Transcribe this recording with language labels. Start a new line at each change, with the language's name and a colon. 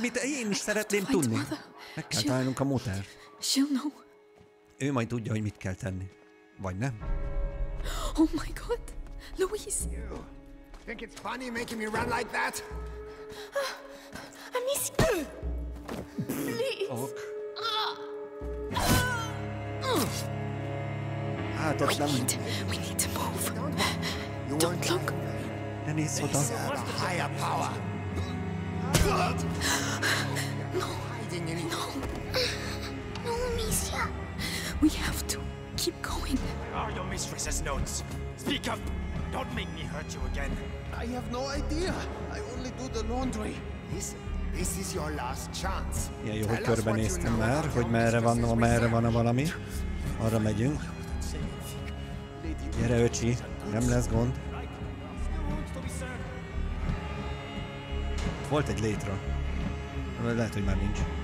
Hungarian: mit én is szeretném tudni? Meg kell találnunk a Mutter.
English: She'll know.
Hungarian: Ő majd tudja, hogy mit kell tenni. Vagy nem?
English: Oh my God. Louise! You think it's funny making me run like that? Amicia! Please! Ok.
Hungarian: Hát ott nem...
English: We need to move! Don't look!
Hungarian: Ne nézz oda!
English: They serve a higher power! No! Hiding anything. No! No, Amicia! We have to keep going! Where are your mistress's notes? Speak up! Don't make me hurt you again. I have no idea. I only do the laundry. This is your last chance.
Hungarian: Yeah, jó, hogy körbenéztem már, hogy merre van a valami. Arra megyünk. Gyere, öcsi. Nem lesz gond. Volt egy létra. Lehet, hogy már nincs.